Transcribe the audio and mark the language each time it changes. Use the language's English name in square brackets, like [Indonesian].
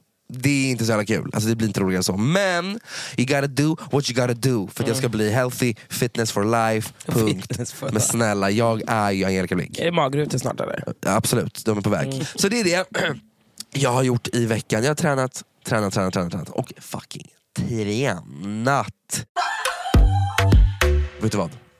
[Swedish] Det är inte så jävla kul. Alltså det blir inte roligare än så. Men [English] you gotta do what you gotta do. [Swedish] För att jag ska bli [English] healthy, fitness for life. [Swedish] Punkt. Men snälla, jag är ju Angelica Blink. Är det magrutor snart eller? Absolut, de är på väg. Så det är det jag har gjort i veckan. Jag har tränat. Och fucking tränat. Vet du vad?